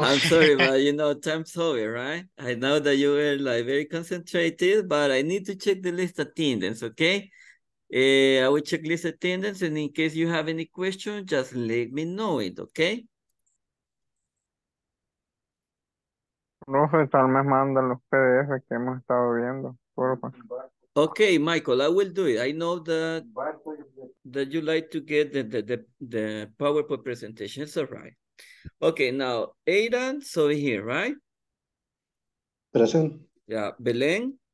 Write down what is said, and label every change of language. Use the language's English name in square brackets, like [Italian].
[English] I'm sorry, but you know, time's over, right? I know that you were like very concentrated, but I need to check the list attendance, okay? I will check list attendance, and in case you have any questions, just let me know it, okay? [Spanish] No sé, tal vez manda los PDF que hemos estado viendo. [English] Okay, Michael, I will do it. I know that you like to get the PowerPoint presentation. It's all right. Okay, now, Aidan, so here, right? Present. Yeah, Belén.